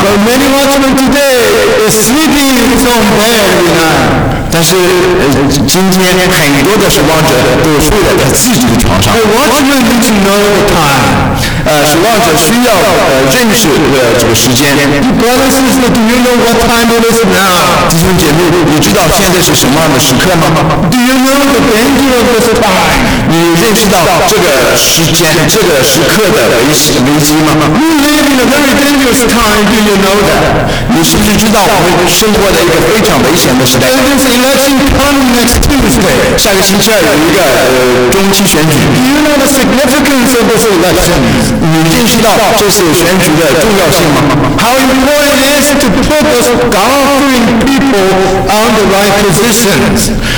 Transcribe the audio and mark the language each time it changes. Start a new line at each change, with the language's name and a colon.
English: But many watchmen today is sleeping in their bed.
Chinese: 但是今天很多的守望者都睡在自己的床上。
English: But watchmen need to know the time.
Chinese: 守望者需要认识这个时间。
English: Brothers and sisters, do you know what time it is now?
Chinese: 弟兄姐妹，你知道现在是什么样的时刻吗？
English: Do you know the danger of this time?
Chinese: 你认识到这个时间、这个时刻的危机吗？
English: We live in a very dangerous time, do you know that?
Chinese: 你是不是知道我们生活在一个非常危险的时代？
English: There is election coming next Tuesday.
Chinese: 下个星期二有一个中期选举。
English: Do you know the significance of this election?
Chinese: 你认识到这次选举的重要性吗？
English: How important it is to put those God-fearing people on the right positions.